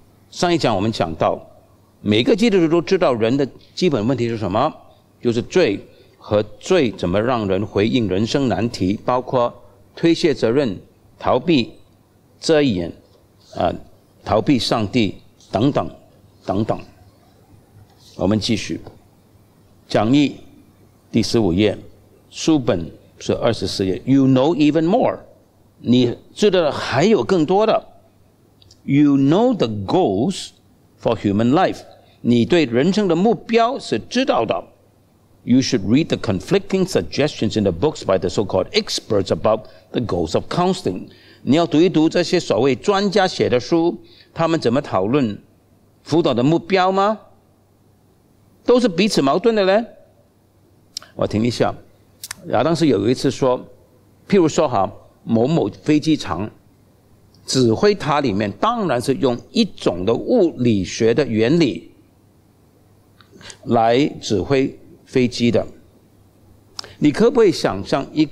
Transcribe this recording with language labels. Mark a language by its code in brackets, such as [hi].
[zh] 上一讲我们讲到，每个基督徒都知道人的基本问题是什么，就是罪和罪怎么让人回应人生难题，包括推卸责任、逃避、遮掩、逃避上帝等等等等。我们继续讲义第十五页，书本是二十四页。 [en] You know even more， [zh] 你知道还有更多的。 [en] You know the goals for human life， [zh] 你对人生的目标是知道的。 [en] You should read the conflicting suggestions in the books by the so-called experts about the goals of counseling. [zh] 你要读一读这些所谓专家写的书，他们怎么讨论辅导的目标吗？都是彼此矛盾的嘞。我停一下，亚当斯有一次说，譬如说哈，某某飞机场指挥塔里面当然是用一种的物理学的原理来指挥飞机的，你可不可以想象